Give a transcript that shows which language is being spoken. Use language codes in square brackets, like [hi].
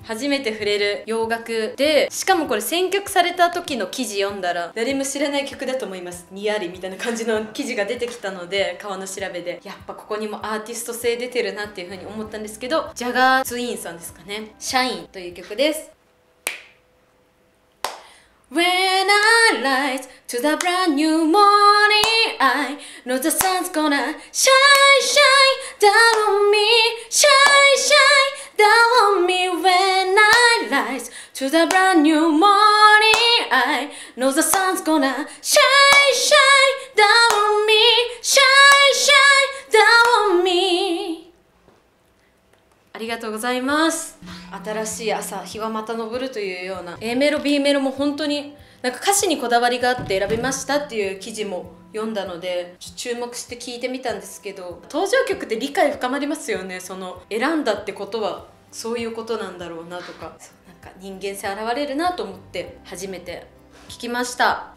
[ja] 初めて触れる洋楽で、しかもこれ選曲された時の記事読んだら誰も知らない曲だと思います、にやりみたいな感じの記事が出てきたので、川の調べでやっぱここにもアーティスト性出てるなっていう風に思ったんですけど、ジャガーツインさんですかね、シャインという曲です。 [en] When I rise to the brand new morning, I know the sun's gonna shine, shine down on me, shine, shine down on me. When I rise to the brand new morning, I know the sun's gonna shine, shine down on me, shine, shine down on me. [ja] ありがとうございます。新しい朝、日はまた昇るというような、 A メロ、 B メロも本当になんか歌詞にこだわりがあって選びましたっていう記事も読んだので注目して聞いてみたんですけど、登場曲って理解深まりますよね。その選んだってことはそういうことなんだろうなとか、なんか人間性現れるなと思って初めて聞きました。